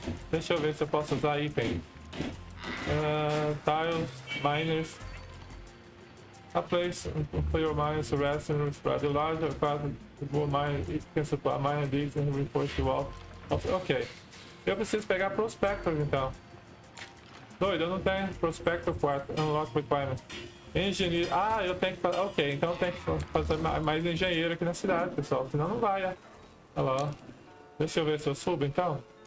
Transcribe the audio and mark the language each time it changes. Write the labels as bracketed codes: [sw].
[pt] Deixa eu ver se eu posso usar item. [en] Tiles, miners. A place for your miners to rest and respread. The larger the more miners can supply miner digs and reinforce the wall. [pt] Ok. Eu preciso pegar prospector então. Doido, eu não tenho prospector [en] for unlock requirement. [pt] Engenheiro. Ah, eu tenho que fazer. Ok, então eu tenho que fazer mais engenheiro aqui na cidade, pessoal. Senão não vai, é. Olha lá, deixa eu ver se eu subo então.